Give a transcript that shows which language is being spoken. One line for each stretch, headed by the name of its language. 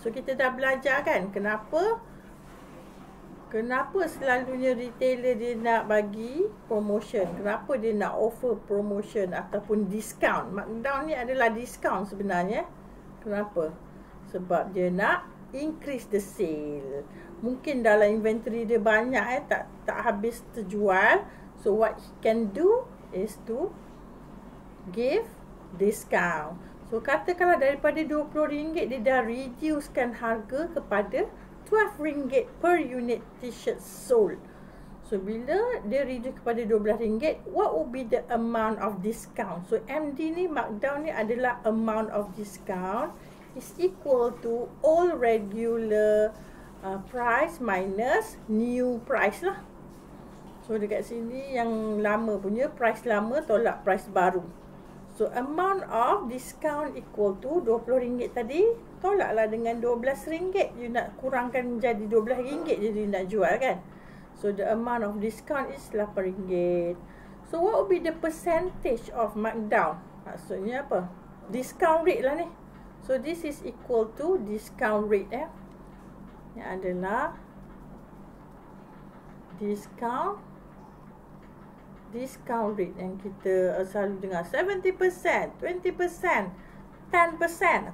Malay: So kita dah belajar kan kenapa selalunya retailer dia nak bagi promotion, kenapa dia nak offer promotion ataupun discount. Markdown ni adalah discount sebenarnya. Kenapa? Sebab dia nak
English: increase the sale.
Malay: Mungkin dalam inventory dia banyak tak habis terjual.
English: So what he can do is to give discount.
Malay: So katakanlah daripada RM20 dia dah reducekan harga kepada RM12 per unit t-shirt sold.
English: So
Malay: bila dia reduce kepada
English: RM12, what will be the amount of discount? So MD ni,
Malay: markdown ni adalah
English: amount of discount is equal to all regular price minus new price lah.
Malay: So dekat sini yang lama punya price lama tolak price baru. So amount of discount equal to RM20 tadi, tolaklah dengan RM12, you nak kurangkan jadi RM12 jadi nak jual kan.
English: So the amount of discount is RM8. So what would be the percentage of markdown?
Malay: Maksudnya apa?
English: Discount rate lah ni. So this is equal to discount rate eh.
Malay: Ini adalah discount rate yang kita selalu dengar 70%, 20%, 10%.